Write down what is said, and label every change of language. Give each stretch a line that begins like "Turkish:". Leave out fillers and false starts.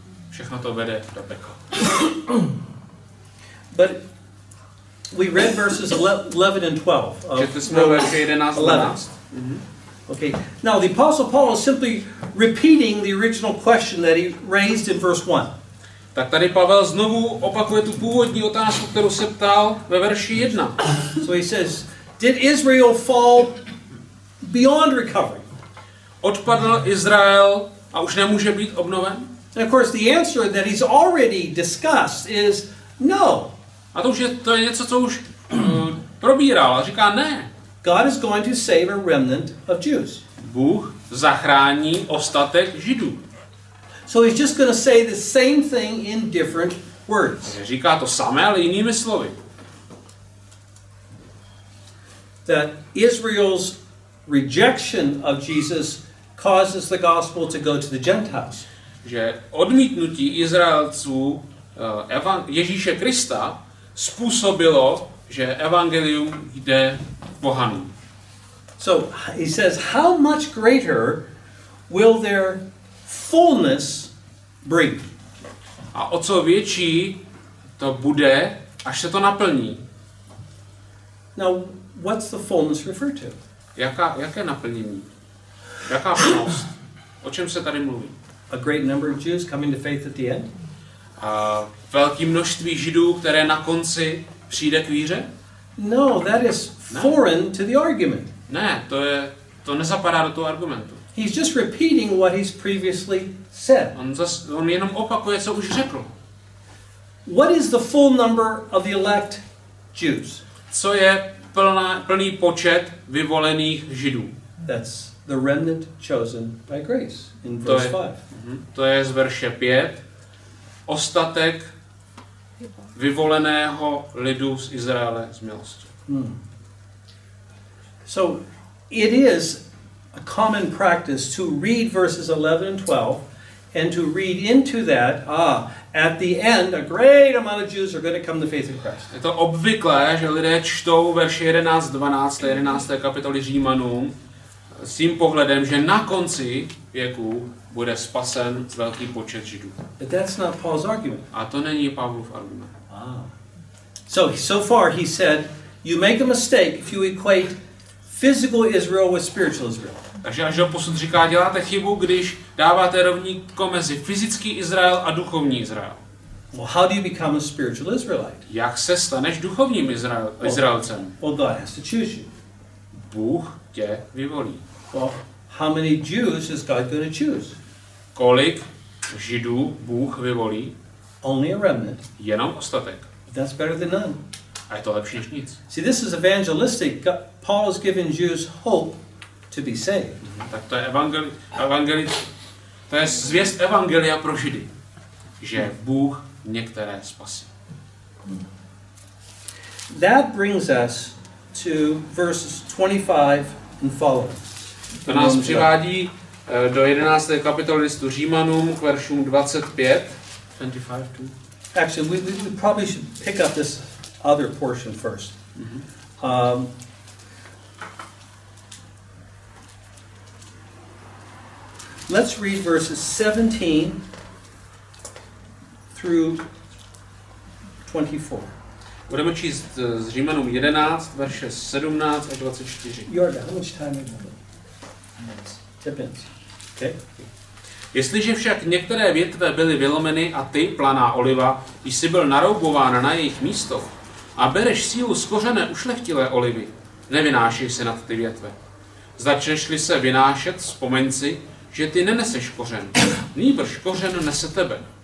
Czech: Všechno to vede do pekla.
English: But we read verses 11 and 12 of Romans 11. Mm-hmm. Okay. Now the Apostle Paul is simply repeating the original question that he raised in verse 1.
Czech: Tak tady Pavel znovu opakuje tu původní otázku, kterou se ptal ve verši 1.
English: So he says, did Israel fall beyond recovery?
Czech: Odpadl Izrael a už nemůže být obnoven?
English: And of course the answer that he's already discussed is no.
Czech: A to je něco, co už probíral. A říká ne.
English: God is going to save a remnant of Jews.
Czech: Bůh zachrání ostatek Židů.
English: So he's just going to say the same thing in different words.
Czech: A říká to samé, ale jinými slovy.
English: That Israel's rejection of Jesus causes the gospel to go to the Gentiles.
Czech: Že odmítnutí Izraelců Ježíše Krista způsobilo, že evangelium jde pohanům.
English: So he says, how much greater will their fullness bring?
Czech: A o co větší to bude, až se to naplní?
English: Now, what's the fullness refer to?
Czech: Jaké naplnění? Jaká plnost? O čem se tady mluví?
English: A great number of Jews coming to faith at the end?
Czech: A velké množství Židů, které na konci přijde k víře?
English: No, that is foreign to the argument.
Czech: Ne, to nezapadá do toho argumentu.
English: He's just repeating what he's previously said.
Czech: On jenom opakuje, co už řekl.
English: What is the full number of the elect Jews?
Czech: Co je plný počet vyvolených Židů?
English: That's the remnant chosen by grace in verse 5.
Czech: To je z verše 5. Ostatek vyvoleného lidu z Izraele z milosti.
English: So it is a common practice to read verses 11 and 12 and to read into that at the end a great amount of Jews are going to come to faith in Christ.
Czech: Je to obvyklé, že lidé čtou verše 11, 12, 11. kapitoly Římanům s tím pohledem, že na konci věku bude spasen velký počet Židů.
English: But that's not Paul's argument.
Czech: A to není Pavlův argument.
English: So far he said, you make a mistake if you equate physical Israel with spiritual Israel.
Czech: Takže Ježíš posud říká, děláte chybu, když dáváte rovnítko mezi fyzický Izrael a duchovní Izrael.
English: Well, how do you become a spiritual Israelite?
Czech: Jak se staneš duchovním Izraelcem?
English: Well, God has to choose you.
Czech: Bůh tě vyvolí.
English: Well, how many Jews is God going to choose?
Czech: Kolik Židů Bůh vyvolí?
English: Only a remnant.
Czech: Jenom ostatek.
English: But that's better than none.
Czech: A je to lepší než nic.
English: See, this is evangelistic. Paul is giving Jews hope to be saved.
Czech: Tak to je to je zvěst evangelia pro Židy, že Bůh některé spasí.
English: That brings us to verses 25 and following.
Czech: To nás přivádí do 11. kapitoly listu Římanům k veršům 25. 25 to.
English: Actually, we probably should pick up this other portion first. Mm-hmm. Let's read verses 17 through 24.
Czech: Budeme číst z Římanům 11, verše 17 až 24.
English: Jorda, how much time do you have? Depends. Okay.
Czech: Jestliže však některé větve byly vylomeny a ty, planá oliva, jsi byl naroubován na jejich místo a bereš sílu z kořené ušlechtilé olivy, nevynášej se nad ty větve. Začneš-li se vynášet, vzpomeň si, že ty neneseš kořen, nýbrž kořen nese tebe.